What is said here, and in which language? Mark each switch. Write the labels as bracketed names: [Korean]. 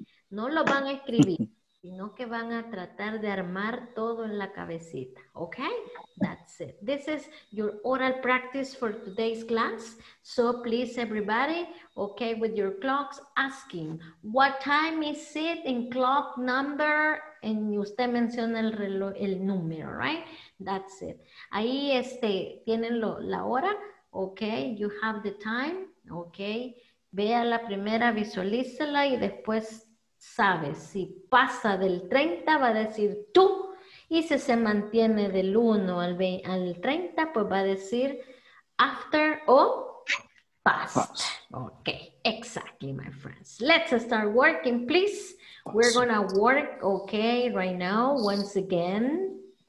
[Spanish] No lo van a escribir, sino que van a tratar de armar todo en la cabecita, ¿ok? [English] That's it. This is your oral practice for today's class. So please, everybody, ¿ok? With your clocks, asking, what time is it in clock number? [Spanish] Y usted menciona el reloj, el número, right? [English] That's it. [Spanish] Ahí tienen la hora, ok. [English] You have the time, ok. [Spanish] Vea la primera, visualízala y después sabe. Si pasa del 30, va a decir tú. Y si se mantiene del 1 al 30, pues va a decir after o past. [English] Ok, exactly, my friends. Let's start working, please. We're gonna work, okay, right now, once again.